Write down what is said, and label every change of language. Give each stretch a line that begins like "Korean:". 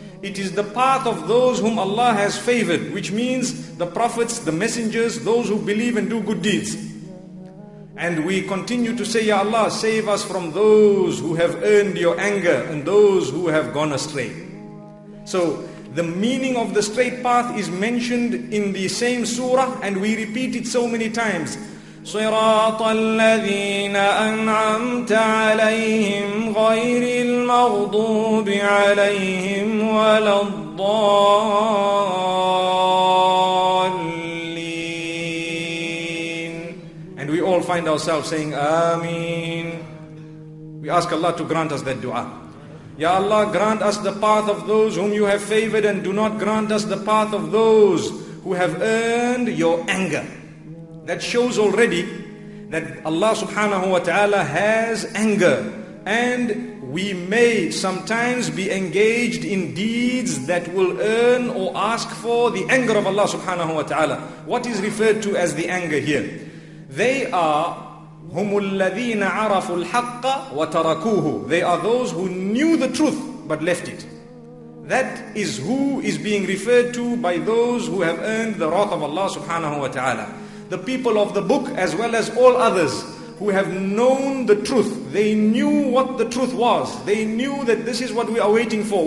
English: It is the path of those whom Allah has favored, which means the prophets, the messengers, those who believe and do good deeds. And we continue to say, Ya Allah, save us from those who have earned your anger and those who have gone astray. So the meaning of the straight path is mentioned in the same surah and we repeat it so many times.
Arabic: صراط الذين أنعمت عليهم غير المغضوب عليهم ولا الضالين.
English: And we all find ourselves saying Ameen. We ask Allah to grant us that dua. Ya Allah, grant us the path of those whom you have favored and do not grant us the path of those who have earned your anger. That shows already that Allah subhanahu wa ta'ala has anger and we may sometimes be engaged in deeds that will earn or ask for the anger of Allah subhanahu wa ta'ala. What is referred to as the anger here? They are
Arabic: هُمُ الَّذِينَ عَرَفُوا الْحَقَّ وَتَرَكُوهُ.
English: They are those who knew the truth but left it. That is who is being referred to by those who have earned the wrath of Allah subhanahu wa ta'ala. The people of the book as well as all others who have known the truth. They knew what the truth was. They knew that this is what we are waiting for.